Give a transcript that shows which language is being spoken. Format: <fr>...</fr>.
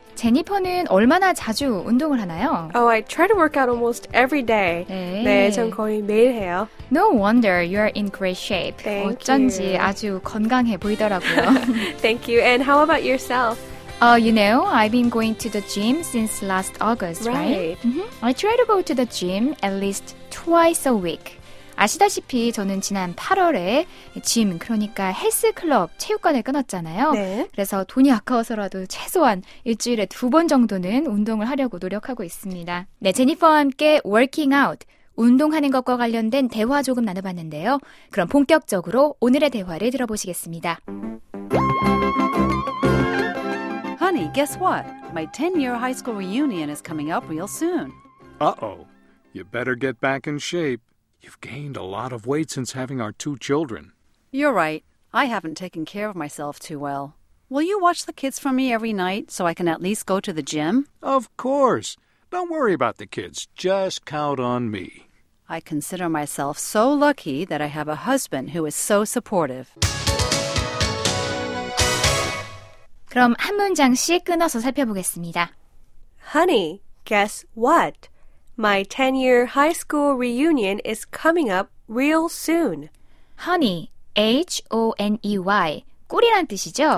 <ko>제니퍼는 얼마나 자주 운동을 하나요?</ko> <en>Oh, I try to work out almost every day.</en> <ko>네, 네 전 거의 매일 해요.</ko> <en>No wonder you are in great shape. Thank</en> <ko>어쩐지</ko> <en>you.</en> <ko>아주 건강해 보이더라고요.</ko> <en>Thank you. And how about yourself? You know, I've been going to the gym since last August, right? Mm-hmm. I try to go to the gym at least twice a week.</en> <ko>아시다시피 저는 지난 8월에 짐, 그러니까 헬스클럽, 체육관을 끊었잖아요. 네. 그래서 돈이 아까워서라도 최소한 일주일에 두 번 정도는 운동을 하려고 노력하고 있습니다. 네, 제니퍼와 함께 working out, 운동하는 것과 관련된 대화 조금 나눠봤는데요. 그럼 본격적으로 오늘의 대화를 들어보시겠습니다.</ko> <en>Honey, guess what? My 10-year high school reunion is coming up real soon. Uh-oh. You better get back in shape. You've gained a lot of weight since having our two children. You're right. I haven't taken care of myself too well. Will you watch the kids for me every night so I can at least go to the gym? Of course. Don't worry about the kids. Just count on me. I consider myself so lucky that I have a husband who is so supportive.</en> <ko>그럼 한 문장씩 끊어서 살펴보겠습니다.</ko> <en>Honey, guess what? My 10-year high school reunion is coming up real soon.</en> <ko>Honey, H-O-N-E-Y, 꿀이란 뜻이죠?</ko>